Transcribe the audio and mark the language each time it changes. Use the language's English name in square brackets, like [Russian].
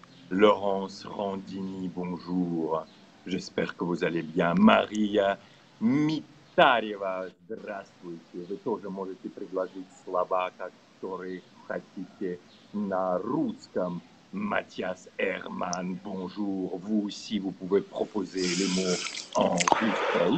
[French] Laurence Randini, bonjour. J'espère que vous allez bien. [Russian] Maria Mitarieva, здравствуйте. Вы тоже можете предложить слова, которые хотите на русском. [French] Mathias Hermann, bonjour. Vous aussi, vous pouvez proposer les mots en russe.